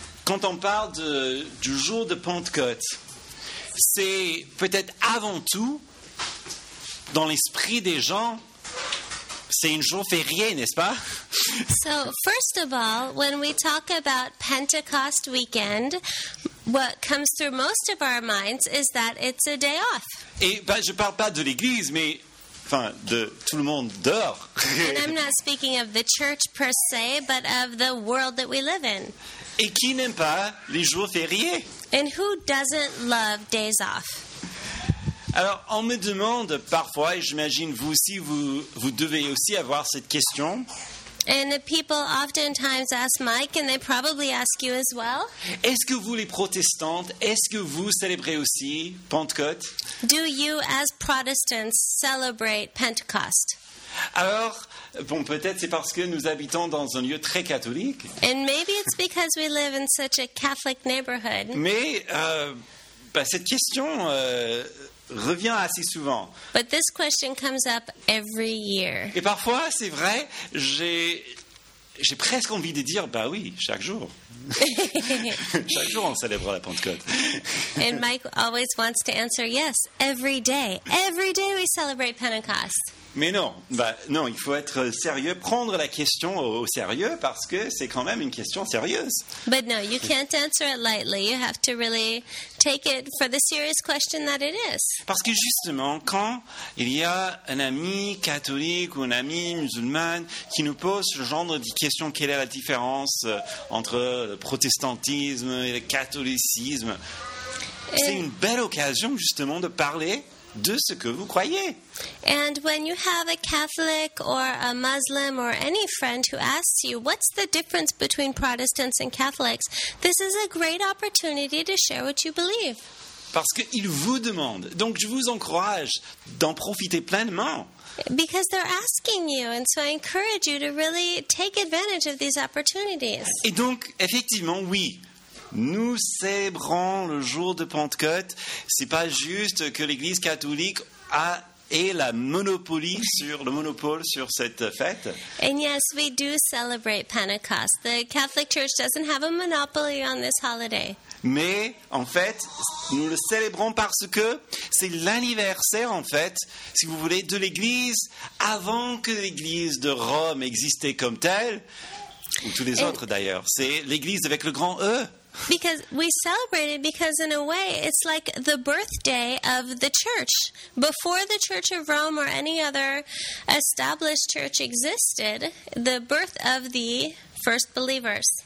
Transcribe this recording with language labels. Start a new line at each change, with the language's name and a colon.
French: quand on parle du jour de Pentecôte, c'est peut-être avant tout, dans l'esprit des gens, c'est une jour férié, n'est-ce pas?
English: So, first of all, when we talk about Pentecost weekend, what comes through most of our minds is that it's a day off.
French: Et ben, je ne parle pas de l'Église, mais enfin, de tout le monde dehors.
English: And I'm not speaking of the church per se, but of the world that we live in.
French: Et qui n'aime pas les jours fériés?
English: And who doesn't love days off?
French: Alors, on me demande parfois, et j'imagine vous aussi, vous devez aussi avoir cette question.
English: And the people oftentimes ask Mike, and they probably ask you as well.
French: Est-ce que vous, les protestantes, est-ce que vous célébrez aussi Pentecôte?
English: Do you, as Protestants, celebrate Pentecost?
French: Alors, bon, peut-être c'est parce que nous habitons dans un lieu très catholique.
English: And maybe it's because we live in such a Catholic neighborhood.
French: Mais, cette question revient assez souvent.
English: But this question comes up every year.
French: Et parfois, c'est vrai, j'ai presque envie de dire, bah oui, chaque jour. Chaque jour, on célèbre la Pentecôte.
English: And Mike always wants to answer, yes, every day. Every day we celebrate Pentecost.
French: Mais non, non, il faut être sérieux, prendre la question au sérieux, parce que c'est quand même une question sérieuse.
English: But no, you can't answer it lightly. You have to really take it for the serious question that it is.
French: Parce que justement, quand il y a un ami catholique ou un ami musulman qui nous pose ce genre de question, quelle est la différence entre le protestantisme et le catholicisme, c'est une belle occasion justement de parler de ce que vous croyez.
English: And when you have a Catholic or a Muslim or any friend who asks you what's the difference between Protestants and Catholics, this is a great opportunity to share what you believe.
French: Parce qu'ils vous demandent. Donc je vous encourage d'en profiter pleinement.
English: Because they're asking you, and so I encourage you to really take advantage of these opportunities.
French: Et donc effectivement, oui. Nous célébrons le jour de Pentecôte. C'est pas juste que l'Église catholique ait le monopole sur cette fête.
English: And yes, we do celebrate Pentecost. The Catholic Church doesn't have a monopoly on this holiday.
French: Mais en fait, nous le célébrons parce que c'est l'anniversaire, en fait, si vous voulez, de l'Église avant que l'Église de Rome existait comme telle, ou tous les autres d'ailleurs. C'est l'Église avec le grand E.
English: Because we celebrate it because in a way it's like the birthday of the church. Before the Church of Rome or any other established church existed, the birth of the first believers.